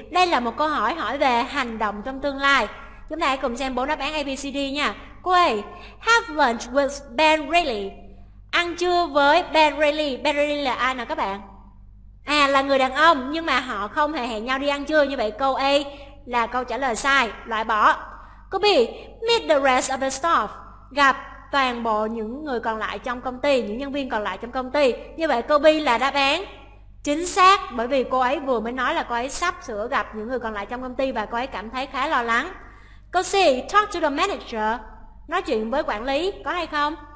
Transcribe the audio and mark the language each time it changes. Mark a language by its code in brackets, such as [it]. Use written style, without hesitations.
[vi] Đây là một câu hỏi hỏi về hành động trong tương lai. Chúng ta hãy cùng xem 4 đáp án ABCD nha. Cô A, [en] have lunch with Ben Reilly. [vi] Ăn trưa với Ben Reilly. Ben Reilly là ai nào các bạn? À, là người đàn ông. Nhưng mà họ không hề hẹn nhau đi ăn trưa. Như vậy câu A là câu trả lời sai. Loại bỏ. [en] Cô B, meet the rest of the staff. [vi] Gặp toàn bộ những người còn lại trong công ty, những nhân viên còn lại trong công ty. Như vậy cô B là đáp án chính xác. Bởi vì cô ấy vừa mới nói là cô ấy sắp sửa gặp những người còn lại trong công ty và cô ấy cảm thấy khá lo lắng. Câu C, [en] talk to the manager. [vi] Nói chuyện với quản lý, có hay không?